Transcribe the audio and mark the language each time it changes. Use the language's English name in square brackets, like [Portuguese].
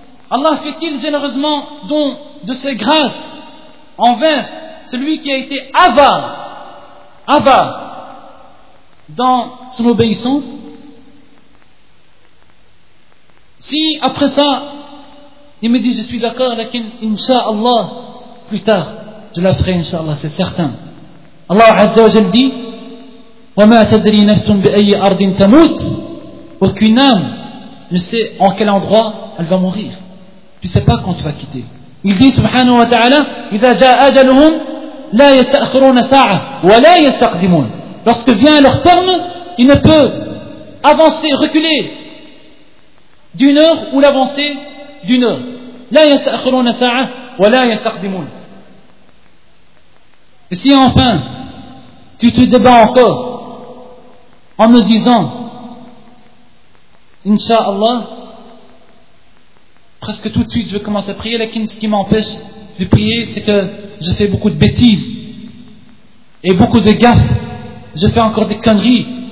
[French] Allah fait-il généreusement don de ses grâces envers celui qui a été avare, avare dans son obéissance? Si après ça, il me dit: je suis d'accord, lakin, inshallah, plus tard, je la ferai, inshallah, c'est certain. [Arabic] Allah Azza wa Jal dit: وَمَا تَدْرِي نَفْسٌ بِأَيِّ أَرْضٍ تَمُوتٍ. [French] Aucune âme ne sait en quel endroit elle va mourir. Tu ne sais pas quand tu vas quitter. Il dit, [Arabic] subhanahu wa ta'ala, إِذَا جَاءَ أَجَلُهُمْ لَا يَسْتَأْخِرُونَ سَاعَةً وَلَا يَسْتَقْدِمُونَ. [French] Lorsque vient leur terme, il ne peut avancer, reculer d'une heure ou l'avancée d'une heure. [Arabic] La yasakhuruna sa'a wa la yastaqdimun. [French] Et si enfin tu te débats encore en me disant inshallah, presque tout de suite je vais commencer à prier, lakin ce qui m'empêche de prier c'est que je fais beaucoup de bêtises et beaucoup de gaffes, je fais encore des conneries.